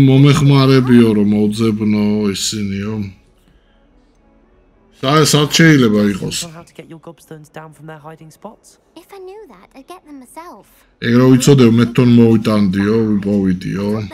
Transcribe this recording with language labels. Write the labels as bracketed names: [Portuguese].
[Georgian] მომეხმარებიო რომ მოძებნო ისინიო. სად შეიძლება იყოს? [English] If I knew that, I'd get them myself. [Georgian] ეგრო ვიცოდე მე თონ მოვიტანდიო, ვიპოვიდიო.